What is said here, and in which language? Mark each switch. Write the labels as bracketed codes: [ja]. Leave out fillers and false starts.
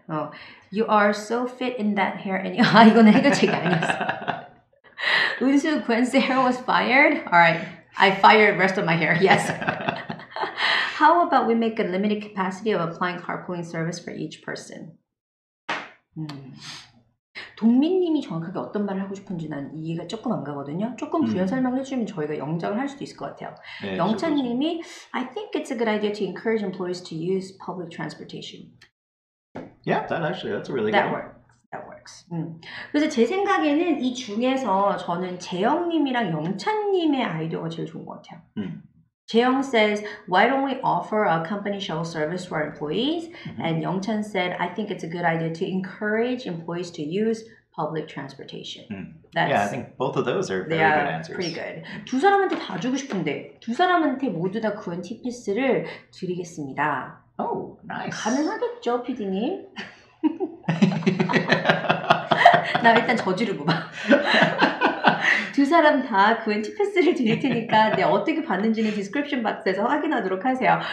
[en] Oh, you are so fit in that hair. And you, [ko] 이건 해결책이 아니었어. [en] 은수, Gwen's hair was fired. All right. I fired the rest of my hair. Yes. How about we make a limited capacity of applying carpooling service for each person? [ko] 동민님이 정확하게 어떤 말을 하고 싶은지 난 이해가 조금 안 가거든요. 조금 부연 설명을 해주면 저희가 영장을 할 수도 있을 것 같아요. [en] 네, 영찬님이 I think it's a good idea to encourage employees to use public transportation. Yeah, that actually, that's a really that good work. That works. [ko] 그래서 제 생각에는 이 중에서 저는 재영님이랑 영찬님의 아이디어가 제일 좋은 것 같아요. [en] 재영 says, why don't we offer a company shuttle service for employees? And Yongchan said, I think it's a good idea to encourage employees to use public transportation. That's, yeah, I think both of those are very good answers. Pretty good. [ko] 두 사람한테 다 주고 싶은데 두 사람한테 모두 다 구원 티패스를 드리겠습니다. [en] Oh, nice. [ko] 가능하겠죠, PD님? 나 일단 저지르고 봐. 두 사람 다 구원 티패스를 드릴 테니까 네, 어떻게 받는지는 디스크립션 박스에서 확인하도록 하세요.